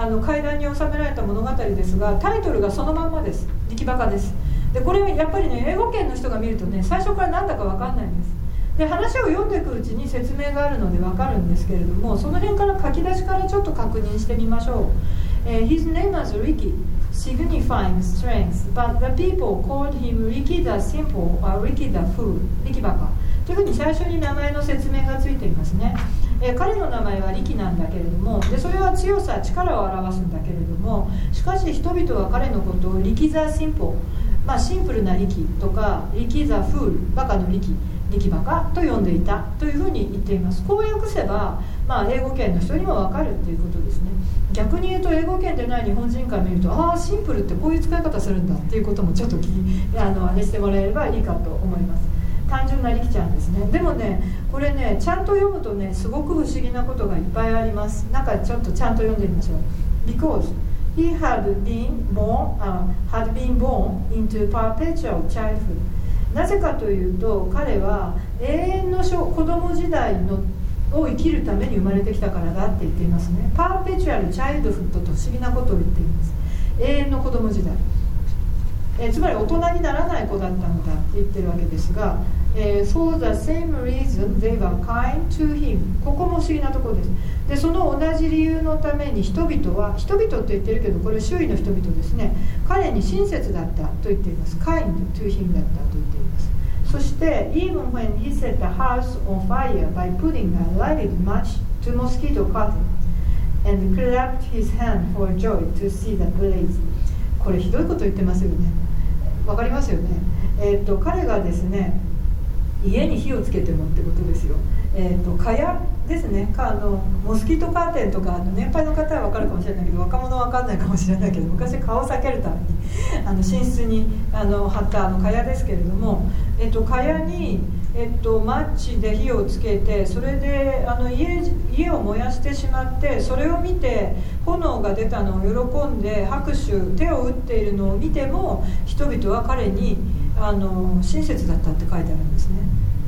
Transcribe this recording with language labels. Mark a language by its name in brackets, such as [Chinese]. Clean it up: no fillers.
[Japanese] 階段に収められた物語ですが、タイトルがそのまんまです。力馬化です。でこれやっぱりね、英語圏の人が見るとね最初からなんだかわかんないんです。で話を読んでいくうちに説明があるのでわかるんですけれども、その辺から書き出しからちょっと確認してみましょう。 [English] His name is Ricky, signifying strength, but the people called him Ricky the Simple or Ricky the Fool. [Japanese] 力馬化というふうに最初に名前の説明がついていますね。彼の名前は力なんだけれども、でそれは強さ、力を表すんだけれども、しかし人々は彼のことを力 the Simple、まあ、シンプルな力とか、力 the Fool、バカの力、力馬化と呼んでいたというふうに言っています。こう訳せば、まあ、英語圏の人にもわかるということですね。逆に言うと英語圏でない日本人から見ると、ああシンプルってこういう使い方するんだっていうこともちょっと聞あれしてもらえればいいかと思います。単純な力ちゃんですね。でもねこれねちゃんと読むとねすごく不思議なことがいっぱいあります。なんかちょっとちゃんと読んでみましょう。 [English] Because he had been born,、had been born into perpetual childhood。 [Japanese] なぜかというと彼は永遠の子供時代のを生きるために生まれてきたからだって言っていますね。パーペチュアルチャイルドフットと不思議なことを言っています。永遠の子供時代、つまり大人にならない子だったのだって言ってるわけですが、 [English] For the same reason they were kind to him。 [Japanese] ここも不思議なところです。でその同じ理由のために人々は、人々って言ってるけどこれ周囲の人々ですね、彼に親切だったと言っています。 [English] Kind to him [Japanese] だったと言っています。そして [English] Even when he set the house on fire by putting a lighted match to mosquito curtain and clapped his hand for joy to see the blaze。 [Japanese] これひどいこと言ってますよね。わかりますよね。彼がですね家に火をつけてもってことですよ。蚊帳ですね、モスキートカーテンとか、年配の方は分かるかもしれないけど若者は分かんないかもしれないけど、昔蚊を避けるために寝室に貼った蚊帳ですけれども、蚊帳に、マッチで火をつけて、それで家を燃やしてしまって、それを見て炎が出たのを喜んで拍手手を打っているのを見ても、人々は彼に親切だったって書いてあるんですね。